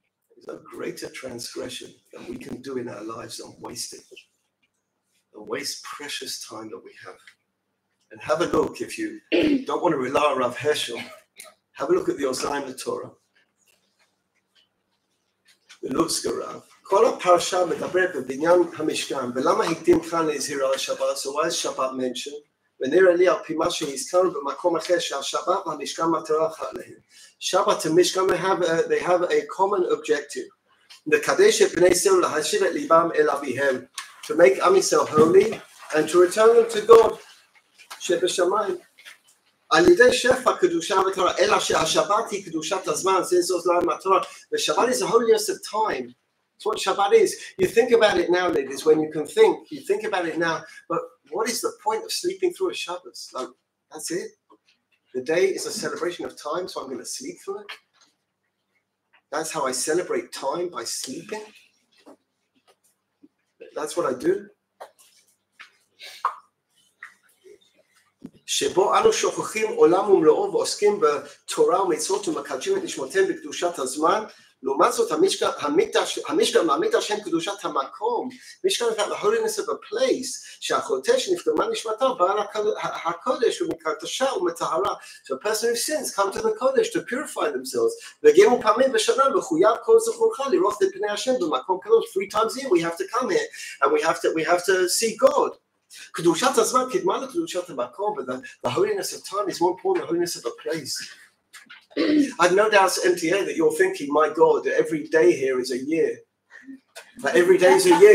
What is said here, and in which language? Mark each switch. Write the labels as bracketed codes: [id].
[en] There's no greater transgression than we can do in our lives than wasting. Than waste precious time that we have. And have a look, if you don't want to rely on Rav Heschel, have a look at the Ozaim Torah. The Lutzka Rav. [he] כל הפרשה מדברת בבניין המשכן, ולמה הקדים כאן להזהיר על השבת, [en] so why is Shabbat mentioned? [he] ונראה לי על פי מה שהזכרנו במקום אחר, שהשבת והמשכן מטרה אחת להם. שבת המשכן, [en] they have a common objective, [he] לקדש את בני ישראל, להשיב את ליבם אל אביהם, [en] to make עם ישראל holy, and to return them to God, [he] שבשמיים. על ידי שפע קדושה ותורה, אלא שהשבת היא קדושת הזמן, זה זו זלם מטרה, ושבת [en] is a holiness of time, that's what Shabbat is. You think about it now, ladies, when you can think, you think about it now, but what is the point of sleeping through a Shabbos? Like, that's it? The day is a celebration of time, so I'm going to sleep through it? That's how I celebrate time, by sleeping? That's what I do? [he] שבו אנו שוכחים עולם ומלואו ועוסקים בתורה ומצוות ומקדשים את נשמותיהם בקדושת הזמן, לעומת זאת, המשכן מעמיד על שם קדושת המקום, משכן זה ה- [en] holiness of a place, [he] שהחוטא שנפגמה נשמתו בעל הקודש ומקדשה ומטהרה. [en] So a person who sins come to the Kodesh to purify themselves. [he] וגם פעמים בשנה מחויב כל זכורך לראות את פני השם במקום קדוש. [en] Three times a year we have to come here and we have to see God. [he] קדושת הזמן קדמה לקדושת המקום, [en] but the holiness of time is more important than the holiness of a place. I've no doubt, MTA, that you're thinking, my God, every day here is a year. Like every day is a year.